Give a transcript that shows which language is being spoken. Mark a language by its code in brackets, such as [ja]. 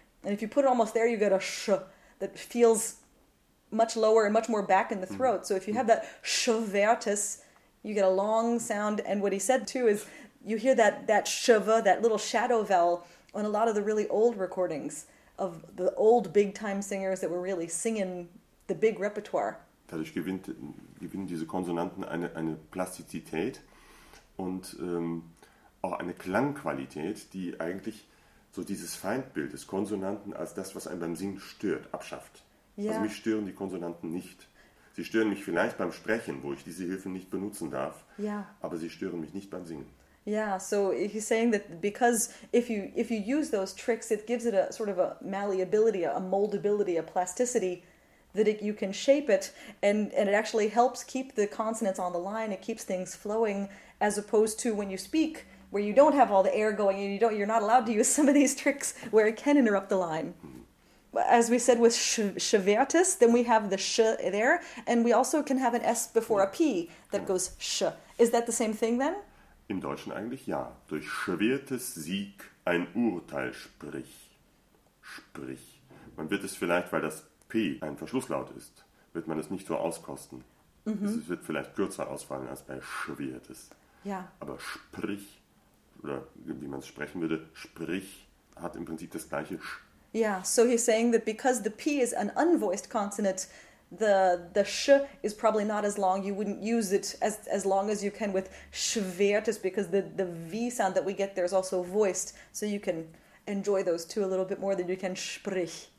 [en] And if you put it almost there, you get a sh that feels much lower and much more back in the throat. So if you have that schwertes, you get a long sound. And what he said too is you hear that shva, that little shadow vowel, on a lot of the really old recordings of the old big-time singers that were really singing the big repertoire. [de] Dadurch gewinnen diese Konsonanten eine Plastizität und auch eine Klangqualität, die eigentlich so dieses Feindbild des Konsonanten als das, was einen beim Singen stört, abschafft. Yeah. Also mich stören die Konsonanten nicht. Sie stören mich vielleicht beim Sprechen, wo ich diese Hilfe nicht benutzen darf. [en] Yeah. [de] Aber sie stören mich nicht beim Singen. [en] Yeah, so he's saying that because if you use those tricks, it gives it a sort of a malleability, a moldability, a plasticity, that you can shape it, and it actually helps keep the consonants on the line, it keeps things flowing, as opposed to when you speak, where you don't have all the air going, and you're not allowed to use some of these tricks where it can interrupt the line. Mm-hmm. As we said with schwertes, then we have the sh there, and we also can have an S before a P that goes sh. Is that the same thing then? [de] Im Deutschen eigentlich ja. Durch schwertes Sieg ein Urteil sprich. Sprich. Man wird es vielleicht, weil das P ein Verschlusslaut ist, wird man es nicht so auskosten. Es wird vielleicht kürzer ausfallen als bei schwiertes. Ja. Aber sprich, oder wie man es sprechen würde, sprich hat im Prinzip das gleiche Sch. [en] Yeah, so he's saying that because the P is an unvoiced consonant, the sh is probably not as long. You wouldn't use it as long as you can with schwertes, because the V sound that we get there is also voiced. So you can enjoy those two a little bit more than you can sprich.